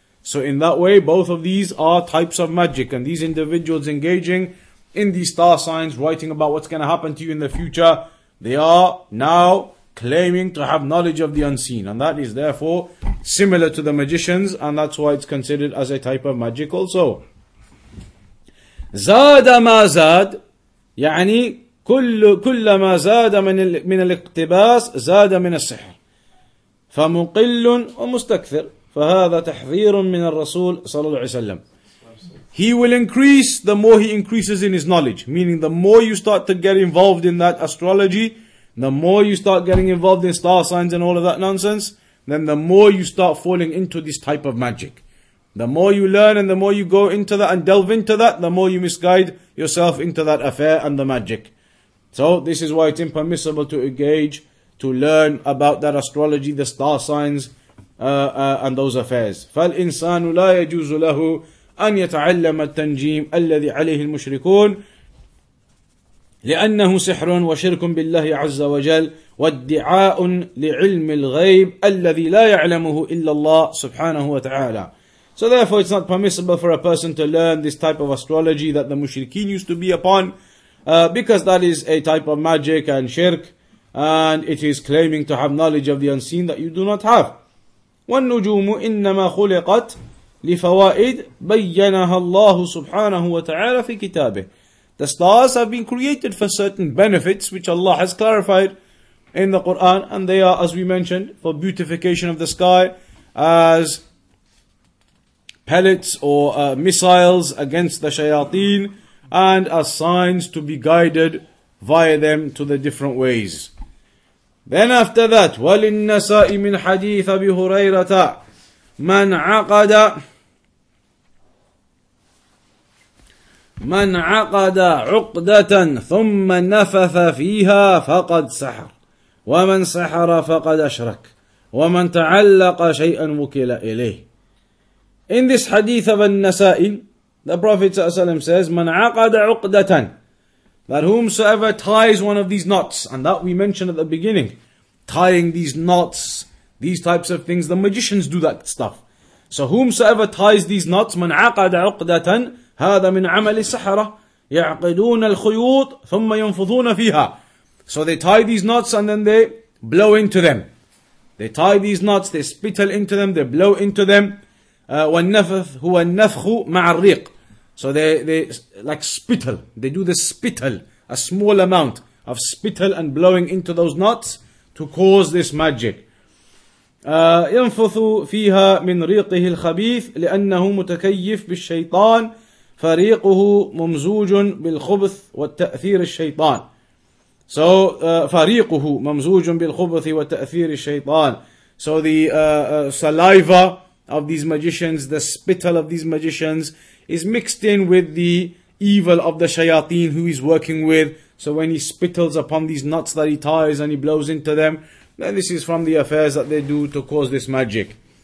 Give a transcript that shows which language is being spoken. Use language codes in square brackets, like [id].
[en] So in that way, both of these are types of magic. And these individuals engaging in these star signs, writing about what's going to happen to you in the future, they are now claiming to have knowledge of the unseen, and that is therefore similar to the magicians, and that's why it's considered as a type of magic also. [ar] زاد ما زاد يعني كل ما زاد من الاقتباس زاد من السحر فمقل ومستكثر فهذا تحذير من الرسول صلى الله عليه وسلم. [en] He will increase the more he increases in his knowledge, meaning the more you start to get involved in that astrology, the more you start getting involved in star signs and all of that nonsense, then the more you start falling into this type of magic. The more you learn and the more you go into that and delve into that, the more you misguide yourself into that affair and the magic. So this is why it's impermissible to engage, to learn about that astrology, the star signs, and those affairs. [ar] فَالْإِنسَانُ لَا يَجُوزُ لَهُ أَنْ يَتَعَلَّمَ التَّنْجِيمَ الَّذِي عَلَيْهِ الْمُشْرِكُونَ لأنه سحر وشرك بالله عز وجل وادعاء لعلم الغيب الذي لا يعلمه إلا الله سبحانه وتعالى. [en] So therefore it's not permissible for a person to learn this type of astrology that the mushrikeen used to be upon, because that is a type of magic and shirk, and it is claiming to have knowledge of the unseen that you do not have. [ar] والنجوم إنما خلقت لفوائد بينها الله سبحانه وتعالى في كتابه. [en] The stars have been created for certain benefits which Allah has clarified in the Quran, and they are, as we mentioned, for beautification of the sky, as pellets or missiles against the shayateen, and as signs to be guided via them to the different ways. Then after that, [ar] وَلِلنَّسَاءِ مِنْ حَدِيثَ أَبِي هُرَيْرَةَ مَنْ عَقَدَ من عقد عقدة ثم نفث فيها فقد سحر ومن سحر فقد أشرك ومن تعلق شيئا وكل إليه. [en] In this hadith of An-Nasa'i, the Prophet ﷺ says, [ar] من عقد عقدة, [en] that whomsoever ties one of these knots, and that we mentioned at the beginning, tying these knots, these types of things, the magicians do that stuff. So whomsoever ties these knots, [ar] من عقد عقدة هذا من عمل السحرة يعقدون الخيوط ثم ينفضون فيها. [en] So they tie these knots and then they blow into them. They tie these knots, they spittle into them, they blow into them. [ar] والنفث هو النفخ مع الريق. [en] So they like spittle. They do the spittle, a small amount of spittle and blowing into those knots to cause this magic. [ar] ينفث فيها من ريقه الخبيث لأنه متكيف بالشيطان فريقه ممزوج بالخبث والتأثير الشيطان. So فريقه ممزوج بالخبث والتأثير الشيطان. [en] So the saliva of these magicians, the spittle of these magicians is mixed in with the evil of the shayateen who he's working with. So when he spittles upon these knots that he ties and he blows into them, then this is from the affairs that they do to cause this magic.